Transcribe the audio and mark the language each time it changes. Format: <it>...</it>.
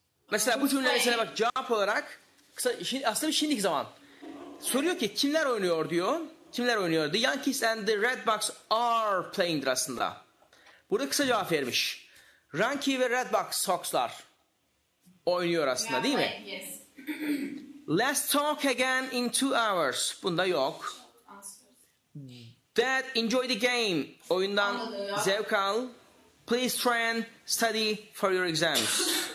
<tr>Mesela bu cümle mesela bak cevap olarak kısa aslında şimdiki zaman. Soruyor ki kimler oynuyor diyor. Kimler oynuyor?</tr> <en>The Yankees and the Red Sox are playing</en> <tr>aslında. Burada kısa cevap vermiş. Ranky ve Red Sox'lar oynuyor aslında değil mi?</tr> <en>Yes. Let's talk again in 2 hours.</en> <tr>Bunda yok.</tr> <en>Dad, enjoy the game.</en> <tr>Oyundan zevk al.</tr> <en>Please try and study for your exams.</en>